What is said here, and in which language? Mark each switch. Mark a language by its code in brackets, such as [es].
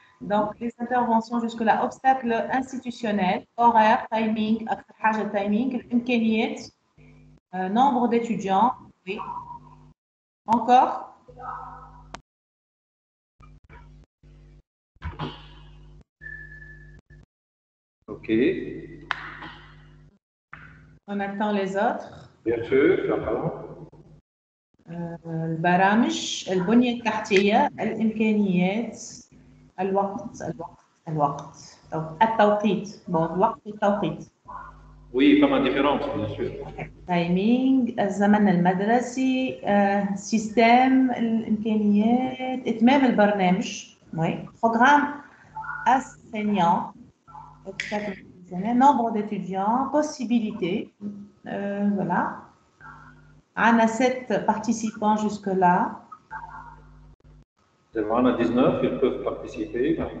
[fr] Donc, les interventions jusque-là, obstacles institutionnels, horaire, timing, akahaja timing, mkeniyet, nombre d'étudiants, oui. Encore? Ok. en attendant les autres. Bien sûr, d'accord. [ar] البرامج البنية التحتية الإمكانيات الوقت الوقت الوقت التوقيت بعض الوقت التوقيت. [fr] Oui, comme différence, bien sûr. [ar] Timing الزمن المدرسي سيستم الإمكانيات إتمام البرنامج oui. [fr] Programme enseignant nombre d'étudiants possibilités voilà. On a 7 participants jusque-là. On a 19, ils peuvent participer.